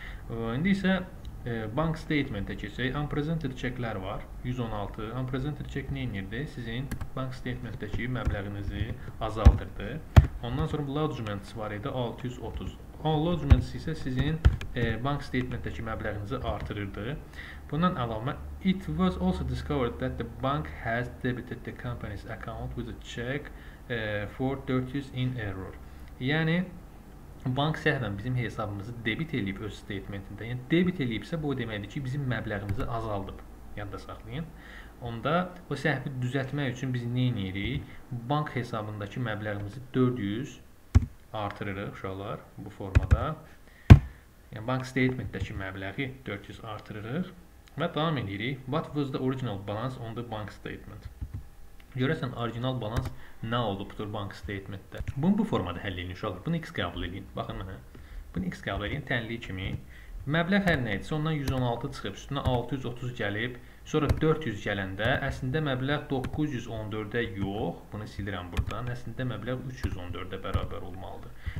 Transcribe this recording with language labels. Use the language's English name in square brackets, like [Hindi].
[Azerbaijani] İndi isə bank statementə keçək. Unpresented check-lər var. 116. Unpresented check nə edirdi? Sizin bank statementdəki məbləğinizi azaldırdı. Ondan sonra lodgement var idi 630. Lodgement isə sizin bank statementdəki məbləğinizi artırırdı. Bundan əlavə, [English] it was also discovered that the bank has debited the company's account with a check for 400 in error. [Azerbaijani] Yəni, bank səhvən bizim hesabımızı debit eləyib öz statementində. Yəni, debit eləyibsə, bu deməkdir ki, bizim məbləğimizi azaldıb. Yanda saxlayın. Onda o səhvi düzəltmək üçün biz nə edirik? Bank hesabındakı məbləğimizi 400 artırırıq uşaqlar bu formada. Yəni bank statementdəki məbləği 400 artırırıq və davam edirik. [English] What was the original balance on the bank statement? [Azerbaijani] Görəsən original balans nə olubdur bank statementdə? Bunu bu formada həll edin uşaqlar. Bunu x qəbul edin. Baxın mənə. Bunu x qəbul edin tənliyi kimi. Məbləğ hər nə idisə ondan 116 çıxıb üstünə 630 gəlib. Sonra 400 gələndə əslində məbləğ 914-də yox, bunu silirəm buradan, əslində məbləğ 314-də bərabər olmalıdır.